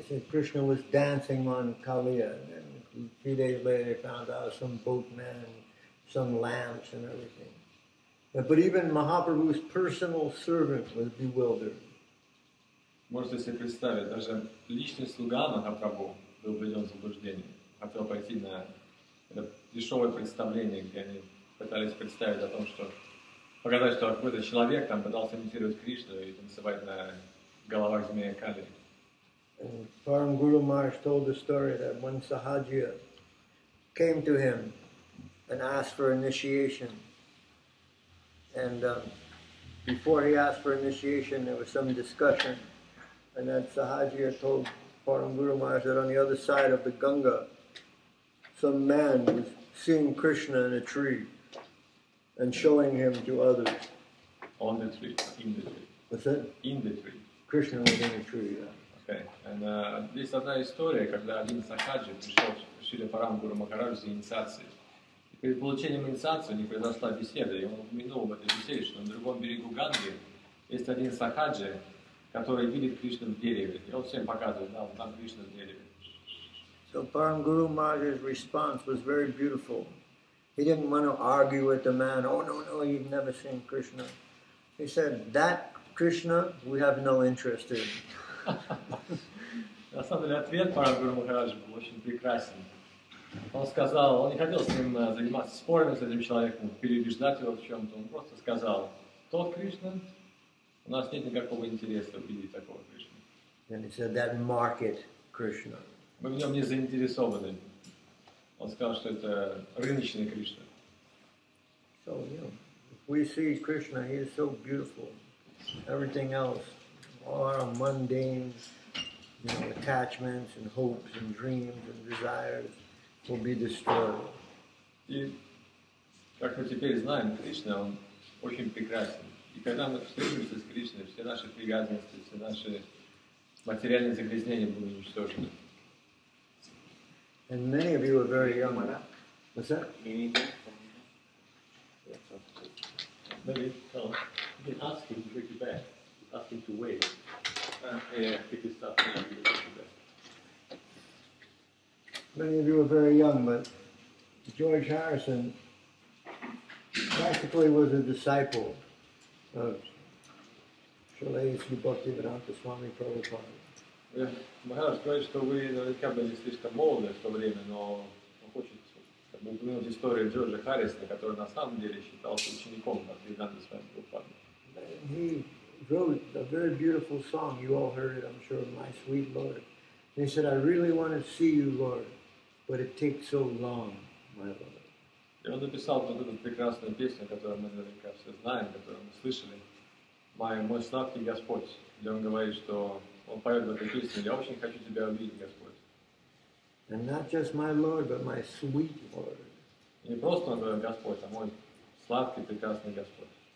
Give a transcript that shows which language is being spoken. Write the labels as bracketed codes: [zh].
[en] Krishna was dancing on Kaliya, and a few days later they found out some boatman, some lamps and everything. But even Mahaprabhu's personal servant was bewildered. [ru] Можете себе представить, даже личный слуга Махапрабху был введен в заблуждение. Хотел пойти на это дешевое представление, где они пытались представить о том, что показать, что какой-то человек там пытался имитировать Кришну и танцевать на головах змея Кали. [en] Param Guru Maharaj told the story that when Sahajiya came to him and asked for initiation, and before he asked for initiation, there was some discussion, and that Sahaji had told Param Guru Maharaj that on the other side of the Ganga, some man was seeing Krishna in a tree and showing him to others. On the tree, in the tree. What's that? In the tree. Krishna was in a tree, yeah. Okay. And this is another story, [ru] когда один сахаджи пришел к Шри Парам Гуру Махараджу за инициацией. Перед получением инициации у них произошла беседа, и он упомянул в этой беседе, что на другом берегу Ганги есть один сахаджи, который видит Кришну в дереве. И он всем показывает, да, там Кришна в дереве. [en] So Param Guru Maharaj's response was very beautiful. He didn't want to argue with the man, oh no, no, you've never seen Krishna. He said, that Krishna we have no interest in. [ru] На самом деле ответ Парам Гуру Махараджа был очень прекрасен. Он сказал, он не хотел с ним заниматься спорами с этим человеком, переубеждать его в чем-то. Он просто сказал, тот Кришна, у нас нет никакого интереса увидеть такого Кришна. [en] And he said, that market Krishna. [ru] Мы в нем не заинтересованы. Он сказал, что это рыночный Кришна. [en] So, yeah, we see Krishna, he is so beautiful. Everything else. All our mundane, you know, attachments and hopes and dreams and desires will be destroyed. [ru] И как мы теперь знаем, Кришна он очень прекрасен. И когда мы встретимся с Кришной, все наши привязанности, все наши материальные загрязнения будут уничтожены. [en] And many of you are very young. What's that? Maybe you can ask him to bring you back. Asking to wait. Many of you are very young, but George Harrison practically was a disciple of Srila Yasu Bhaktivedanta Swami Prabhupada. [ru] Maharaj говорит, что вы наверняка были слишком молоды в то время, но он хочет упомянуть историю Джорджа Харрисона, который на самом деле считался учеником Бхактивиданты Свами Прабхупады. [en] Wrote a very beautiful song, you all heard it, I'm sure, My Sweet Lord. And he said, I really want to see you, Lord, but it takes so long, my Lord. [ru] И он написал вот эту прекрасную песню, которую мы наверняка все знаем, которую мы слышали, «Мой сладкий Господь», где он говорит, что он поет в этой песне, я очень хочу тебя увидеть, Господь. [en] And not just my Lord, but my sweet Lord. [ru] И не просто он говорит Господь, а мой сладкий, прекрасный Господь.